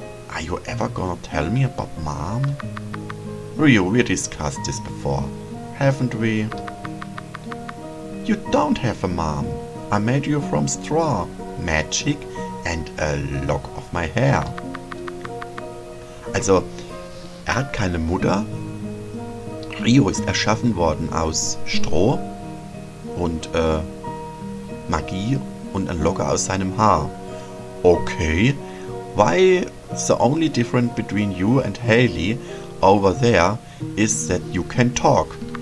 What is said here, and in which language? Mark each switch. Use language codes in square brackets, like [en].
[en] are you ever gonna tell me about mom? Ryu, we discussed this before. Haven't we? You don't have a mom. I made you from straw, magic and a lock of my hair. [de] Also, hat keine Mutter. Rio ist erschaffen worden aus Stroh und Magie und ein Locker aus seinem Haar. [en] Okay, why the only difference between you and Haley over there is that you can talk?